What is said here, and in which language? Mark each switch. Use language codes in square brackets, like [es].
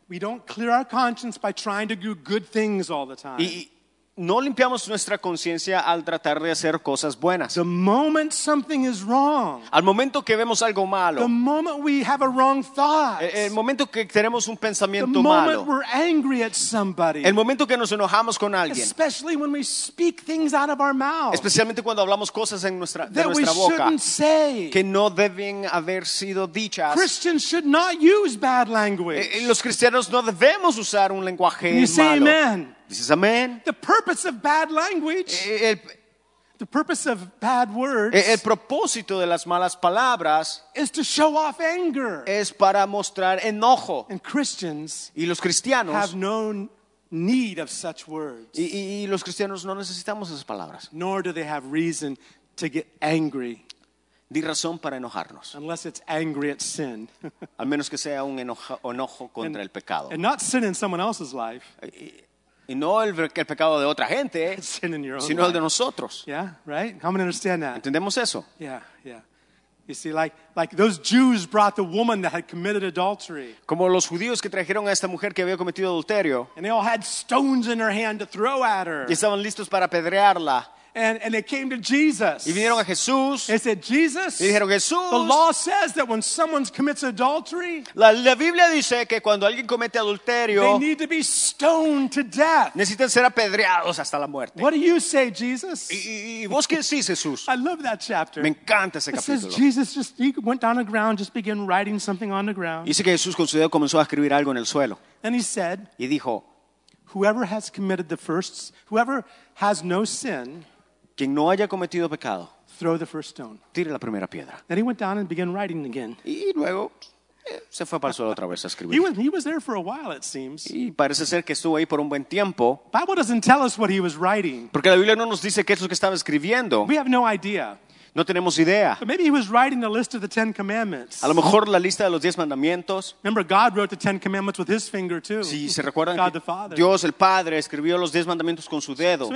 [en] We don't clear our conscience by trying to do good things all the time. [es] Y no limpiamos nuestra conciencia al tratar de hacer cosas buenas. [en] The moment something is wrong, [es] al momento que vemos algo malo. [en] The moment we have a wrong thought, [es] el momento que tenemos un pensamiento [en] the moment [es] malo. [en] We're angry at somebody, [es] el momento que nos enojamos con alguien. [en] Especially when we speak things out of our mouth, [es] especialmente cuando hablamos cosas en nuestra, [en] that [es] de nuestra [en] we [es] boca [en] shouldn't say. [es] Que no deben haber sido dichas. [en] Christians should not use bad language. [es] Los cristianos no debemos usar un lenguaje [en] you [es] malo. [en] Say amen. This is a man. The purpose of bad language. The purpose of bad words. [es] El propósito de las malas palabras [en] is to show off anger. [es] Es para mostrar enojo. [en] And Christians [es] y los cristianos [en] have no need of such words. [es] Y los cristianos no necesitamos esas palabras. [en] Nor do they have reason to get angry. [es] Ni razón para enojarnos. [en] Unless it's angry at sin. [es] Al menos que sea un enojo contra el pecado. [en] And not sin in someone else's life. [es] Y no el pecado de otra gente, sino [en] life. [es] El de nosotros. [en] Yeah, right? How many understand that? [es] ¿Entendemos eso? [en] Yeah, yeah. You see, like those Jews brought the woman that had committed adultery. [es] Como los judíos que trajeron a esta mujer que había cometido adulterio. [en] And they all had stones in their hand to throw at her. [es] Y estaban listos para apedrearla. [en] And they came to Jesus. [es] Y vinieron a Jesús. [en] They said, Jesus. [es] Y dijeron, Jesús. [en] The law says that when someone commits adultery, [es] la Biblia dice que cuando alguien comete adulterio, [en] they need to be stoned to death. [es] Necesitan ser apedreados hasta la muerte. [en] What do you say, Jesus? [es] Y vos qué decís, Jesús? [en] I love that chapter. [es] Me encanta ese capítulo. [en] It says Jesus just he went down the ground, just began writing something on the ground. [es] Dice que Jesús con su dedo comenzó a escribir algo en el suelo. [en] And he said, [es] y dijo, [en] whoever has committed the first, whoever has no sin. [es] Quien no haya cometido pecado, [en] throw the first stone. [es] Tire la primera piedra. [en] Then he went down and began writing again. [es] Y luego se fue para el suelo otra vez a escribir. [en] He was there for a while, it seems. [es] Y parece ser que estuvo ahí por un buen tiempo. [en] Bible doesn't tell us what he was writing. [es] Porque la Biblia no nos dice qué es lo que estaba escribiendo. [en] We have no idea. [es] No tenemos idea. [en] But maybe he was writing the list of the Ten Commandments. [es] A lo mejor la lista de los diez mandamientos. [en] Remember, God wrote the Ten Commandments with His finger too. [es] Sí, se recuerdan. [en] God the Father. [es] Dios el Padre escribió los diez mandamientos con su dedo.